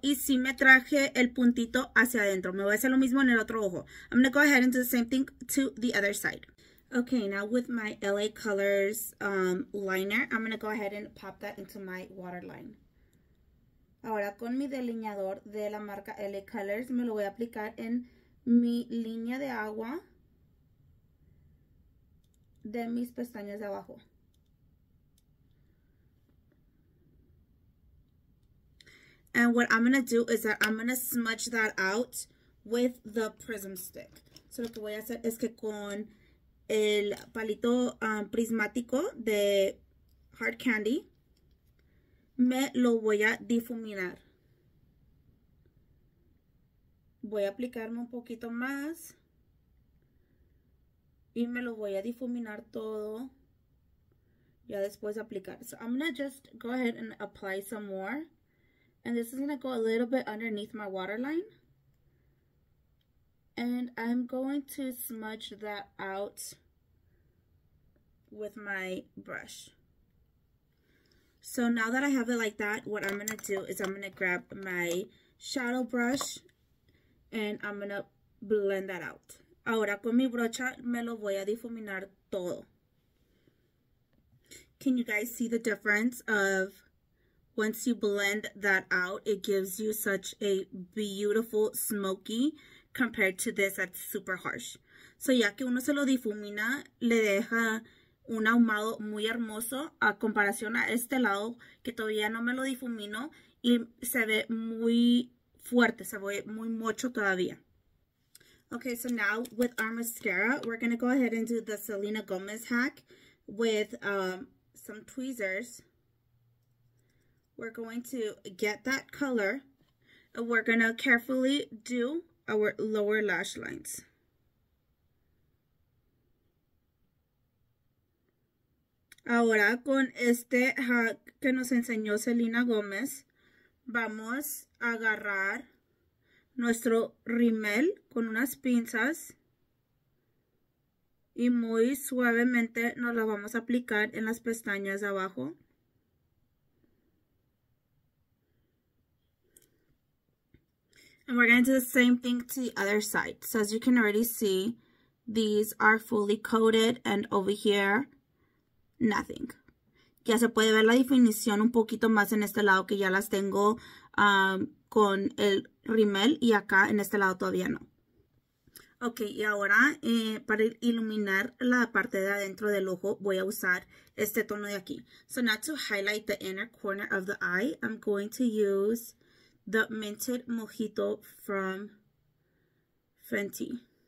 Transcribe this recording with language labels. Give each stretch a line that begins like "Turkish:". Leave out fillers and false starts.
Spanish: Y sí me traje el puntito hacia adentro. Me voy a hacer lo mismo en el otro ojo.
English: I'm going to go ahead and do the same thing to the other side. Okay, now with my LA Colors liner, I'm going to go ahead and pop that into my waterline.
Spanish: Ahora con mi delineador de la marca LA Colors me lo voy a aplicar en mi línea de agua de mis pestañas de abajo.
English: And what I'm going to do is that I'm going to smudge that out with the prism stick.
Spanish: So lo que voy a hacer es que con el palito prismático de Hard Candy me lo voy a difuminar. Voy a aplicarme un poquito más y me lo voy a difuminar todo ya después de aplicar.
English: So I'm gonna just go ahead and apply some more. And this is gonna go a little bit underneath my waterline. And I'm going to smudge that out with my brush. So now that I have it like that, what I'm gonna do is I'm gonna grab my shadow brush and I'm gonna blend that out.
Spanish: Ahora con mi brocha me lo voy a difuminar todo.
English: Can you guys see the difference of once you blend that out, it gives you such a beautiful smoky compared to this that's super harsh.
Spanish: So ya que uno se lo difumina, le deja un ahumado muy hermoso a comparación a este lado que todavía no me lo difumino y se ve muy fuerte, se ve muy mocho todavía.
English: Okay, so now with our mascara, we're gonna go ahead and do the Selena Gomez hack with some tweezers. We're going to get that color and we're gonna carefully do our lower lash lines.
Spanish: Ahora con este hack que nos enseñó Selena Gómez, vamos a agarrar nuestro rímel con unas pinzas y muy suavemente nos lo vamos a aplicar en las pestañas de abajo.
English: And we're going to do the same thing to the other side. So as you can already see, these are fully coated and over here, nothing.
Spanish: Ya se puede ver la definición un poquito más en este lado que ya las tengo con el rímel y acá en este lado todavía no. Ok, y ahora para iluminar la parte de adentro del ojo voy a usar este tono de aquí.
English: So now to highlight the inner corner of the eye, I'm going to use the minted mojito from Fenty.